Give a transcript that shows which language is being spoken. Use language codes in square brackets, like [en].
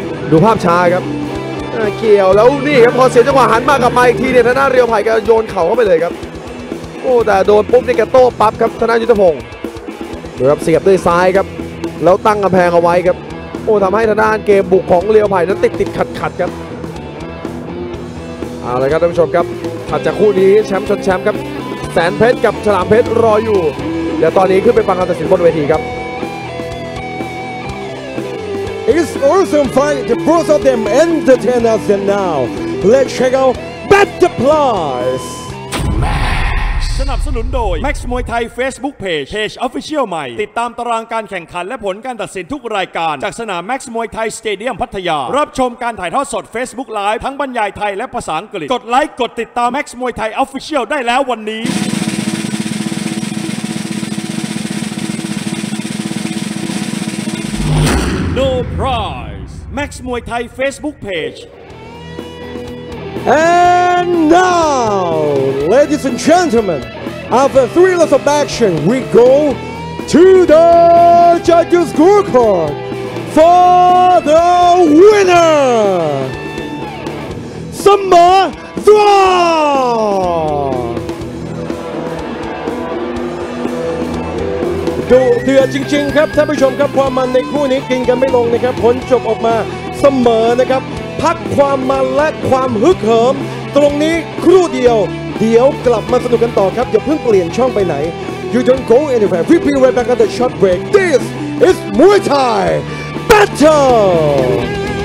[th] ดูภาพช้าครับเกี่ยวแล้วนี่ครับพอเสียจังหวะหันมากลับมาอีกทีเนี่ยทางด้านเรียวไผ่ก็โยนเข่าเข้าไปเลยครับโอ้แต่โดนปุ๊บนี่ก็โต้ปั๊บครับทางด้านยุทธพงศ์ดูครับเสียบด้วยซ้ายครับแล้วตั้งกำแพงเอาไว้ครับโอ้ทำให้ทางด้านเกมบุกของเรียวไผ่นั้นติดขัดครับ เอาละครับท่านผู้ชมครับถัดจากคู่นี้แชมป์ชนแชมป์ครับแสนเพชรกับฉลามเพชรรออยู่เดี๋ยวตอนนี้ขึ้นไปฟังการตัดสินบนเวทีครับ [en] It's awesome fight the both of them entertain us and now let's check out Better Plus [th] สนับสนุนโดย Max มวยไทย Facebook Page Official ใหม่ติดตามตารางการแข่งขันและผลการตัดสินทุกรายการจากสนาม Max มวยไทยสเตเดียมพัทยารับชมการถ่ายทอดสด Facebook Live ทั้งบรรยายไทยและภาษาอังกฤษกดไลค์กดติดตาม Max มวยไทย Official ได้แล้ววันนี้ No Prize Max มวยไทย Facebook Page [en] And now, ladies and gentlemen, after three rounds of action, we go to the judges' scorecard for the winner, Samba Thua! [th] ดูเดือดจริงๆครับท่านผู้ชมครับความมันในคู่นี้กินกันไม่ลงนะครับผลจบออกมาเสมอนะครับพักความมันและความฮึกเหิมตรงนี้ครู่เดียวเดี๋ยวกลับมาสนุกกันต่อครับอย่าเพิ่งเปลี่ยนช่องไปไหน [en] You don't go anywhere We'll be right back at the short break This is Muay Thai Battle